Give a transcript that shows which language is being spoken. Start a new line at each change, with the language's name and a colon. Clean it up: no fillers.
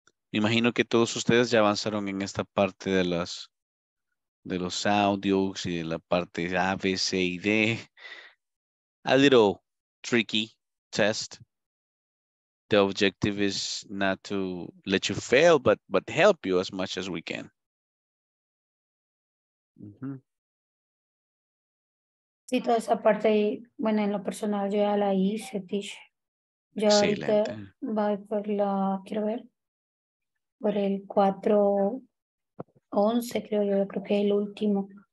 Spanish: Me imagino que todos ustedes ya avanzaron en esta parte de las de los audios y de la parte A, B, C y D.
English: A little tricky test. The objective is not to let you fail, but help you as much as we can. Mm-hmm.
Spanish: Sí, toda esa parte, bueno, en lo personal yo ya la hice, Tish. Yo ahorita voy por la, quiero ver, por el 411, creo que es el último.